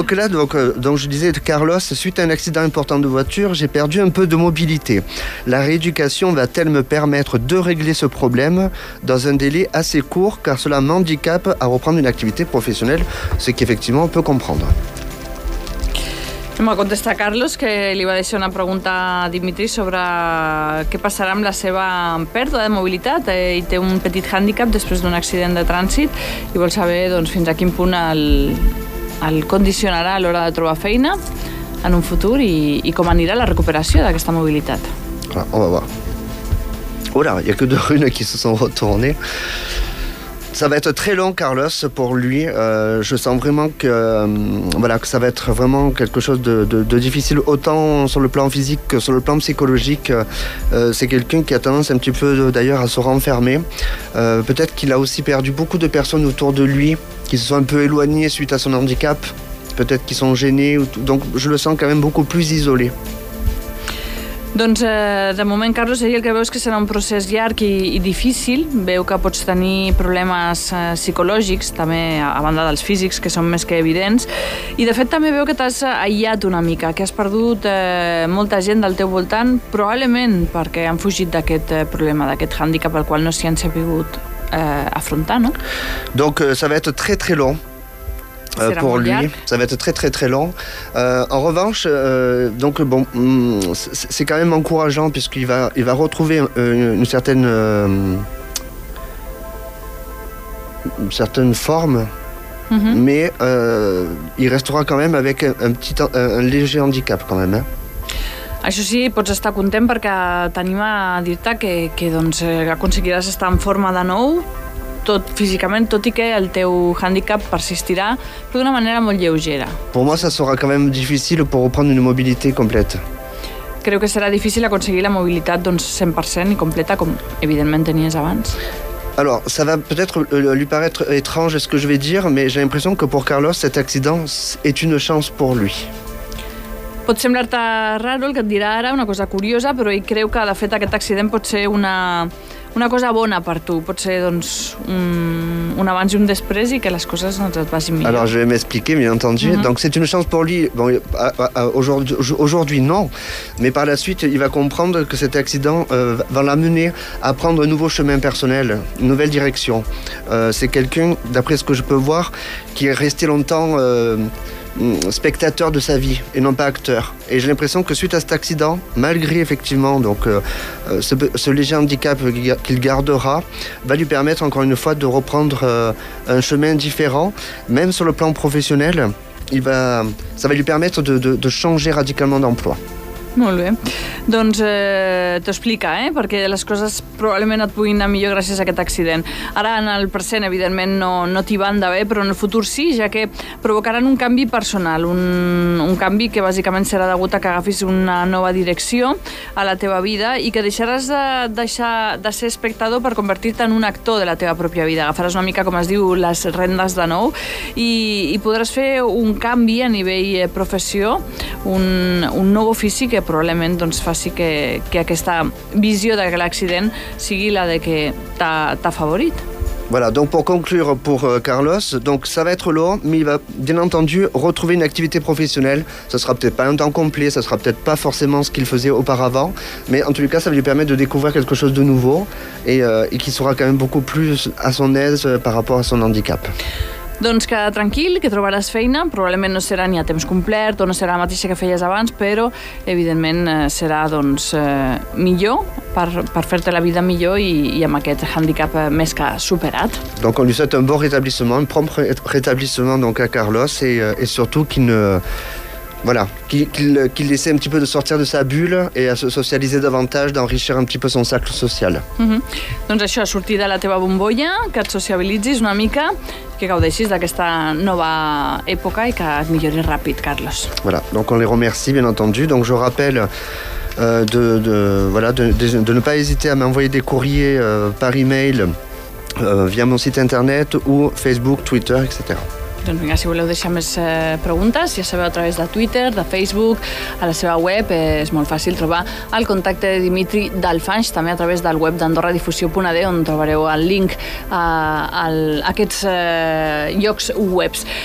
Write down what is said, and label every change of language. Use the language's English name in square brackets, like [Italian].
[French] Donc, je disais, Carlos, suite à un accident important de voiture, j'ai perdu un peu de mobilité. La rééducation va-t-elle me permettre de régler ce problème dans un délai assez court, car cela m'handicape à reprendre une activité professionnelle, ce qu'effectivement on peut comprendre. [Catalan] Em va contestar Carlos, que li va deixar una pregunta a Dimitri sobre què passarà amb la seva pèrdua de mobilitat i té un petit hàndicap després d'un accident de trànsit i vol saber doncs, fins a quin punt el condicionarà a l'hora de trobar feina en un futur i com anirà la recuperació d'aquesta mobilitat. [French] On va voir. [Catalan] Hola, hi ha que dues runes [French] que se sont retournées. Ça va être très long, Carlos, pour lui. Je sens vraiment que ça va être vraiment quelque chose de difficile, autant sur le plan physique que sur le plan psychologique. C'est quelqu'un qui a tendance un petit peu, d'ailleurs, à se renfermer. Peut-être qu'il a aussi perdu beaucoup de personnes autour de lui, qui se sont un peu éloignées suite à son handicap. Peut-être qu'ils sont gênés. Donc, je le sens quand même beaucoup plus isolé. [Catalan] Doncs de moment, Carlos, ell el que veu és que serà un procés llarg i difícil. Veu que pots tenir problemes psicològics, també a banda dels físics, que són més que evidents. I de fet també veu que t'has aïllat una mica, que has perdut molta gent del teu voltant, probablement perquè han fugit d'aquest problema, d'aquest hàndicap al qual no s'hi han sabut afrontar, no? [French] Donc, ça va être très très long. Pour lui, ça va être très très très long. En revanche, donc c'est quand même encourageant puisqu'il va retrouver une certaine forme, mais il restera quand même avec un léger handicap quand même. Hein. [Catalan] Això sí, pots estar content perquè t'anima a dir-te que doncs aconseguiràs estar en forma de nou. Tot físicament, tot i que el teu handicap persistirà, però d'una manera molt lleugera. [French] Pour moi, ça sera quand même difficile pour reprendre une mobilité complète. [Catalan] Creu que serà difícil aconseguir la mobilitat doncs, 100% i completa, com evidentment tenies abans. [French] Alors, ça va peut-être lui paraître étrange ce que je vais dire, mais j'ai l'impression que pour Carlos, cet accident est une chance pour lui. [Catalan] Pot semblar-te raro el que et dirà ara, una cosa curiosa, però ell creu que, de fet, aquest accident pot ser una cosa bona per tu, pot ser doncs, un abans i un després i que les coses no et vagin millor. [French] Alors, je vais m'expliquer, bien entendu. Mm-hmm. Donc, c'est une chance pour lui. Bon, aujourd'hui, non. Mais par la suite, il va comprendre que cet accident va l'amener à prendre un nouveau chemin personnel, une nouvelle direction. C'est quelqu'un, d'après ce que je peux voir, qui est resté longtemps spectateur de sa vie et non pas acteur. Et j'ai l'impression que suite à cet accident, malgré effectivement ce léger handicap qu'il gardera, va lui permettre encore une fois de reprendre un chemin différent, même sur le plan professionnel, ça va lui permettre de changer radicalement d'emploi. [Catalan] Molt bé. Doncs t'explica, perquè les coses probablement et puguin anar millor gràcies a aquest accident. Ara, en el present, evidentment, no t'hi van de bé, però en el futur sí, ja que provocaran un canvi personal, un canvi que bàsicament serà degut a que agafis una nova direcció a la teva vida i que deixaràs de ser espectador per convertir-te en un actor de la teva pròpia vida. Agafaràs una mica, com es diu, les rendes de nou i podràs fer un canvi a nivell professió, un nou ofici que probablement doncs, faci que aquesta visió de l'accident sigui la de que t'ha favorit. [French] Voilà, donc pour conclure pour Carlos, donc ça va être long, mais il va bien entendu retrouver une activité professionnelle. Ça sera peut-être pas un temps complet, ça sera peut-être pas forcément ce qu'il faisait auparavant, mais en tout cas, ça va lui permettre de découvrir quelque chose de nouveau et qu'il sera quand même beaucoup plus à son aise par rapport à son handicap. [Catalan] Doncs que tranquil, que trobaràs feina, probablement no serà ni a temps complet o no serà la mateixa que feies abans, però evidentment serà doncs, millor per fer-te la vida millor i amb aquest handicap més que superat. [French] Donc on lui souhaite un bon rétablissement, un prompt rétablissement donc à Carlos et surtout qu'il ne voilà, qu'il essaie un petit peu de sortir de sa bulle et à se socialiser davantage, d'enrichir un petit peu son cercle social. [Catalan] Doncs això, a sortir de la teva bombolla, que et sociabilitzis una mica, que gaudeixis d'aquesta nova època i que et millori ràpid, Carlos. [French] Voilà, donc on les remercie, bien entendu. Donc je rappelle de ne pas hésiter à m'envoyer des courriers par email via mon site internet ou Facebook, Twitter, etc. [Catalan] Doncs vinga, si voleu deixar més preguntes, ja sabeu, a través de Twitter, de Facebook, a la seva web, és molt fàcil trobar el contacte de Dimitri Dalfanch, també a través del web d'AndorraDifusió.de, on trobareu el link a aquests llocs webs.